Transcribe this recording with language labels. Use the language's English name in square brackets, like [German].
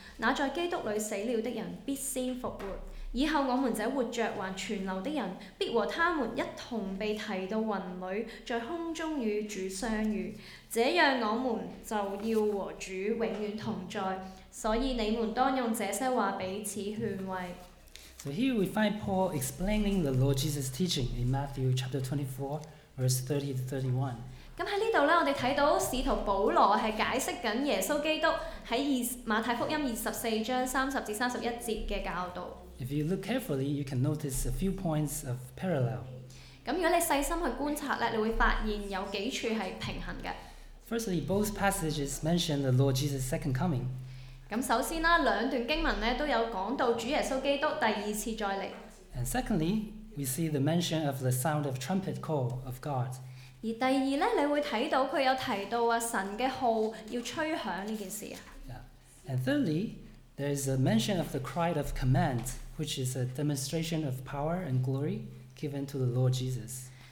[Chinese] 那在基督裡死了的人必先復活，以後我們這活著還存留的人必和他們一同被提到雲裡，在空中與主相遇，這樣我們就要和主永遠同在。所以你們當用這些話彼此勸慰。 [English] So here we find Paul explaining the Lord Jesus' teaching in Matthew chapter 24, verse 30 to 31. [Chinese] 在這裡我們看到使徒保羅是解釋耶穌基督在馬太福音24章30至31節的教導。 [English] If you look carefully, you can notice a few points of parallel. [Chinese] 如果你細心去觀察，你會發現有幾處是平衡的。 [English] Firstly, both passages mention the Lord Jesus' second coming. [Chinese] 首先兩段經文都有講到主耶穌基督第二次再來。 [English] And secondly, we see the mention of the sound of trumpet call of God. [Chinese] 而第二呢，你會看到他有提到神的號要吹響這件事。 [English] And thirdly, there is a mention of the cry of command, which is a demonstration of power and glory given to the Lord Jesus.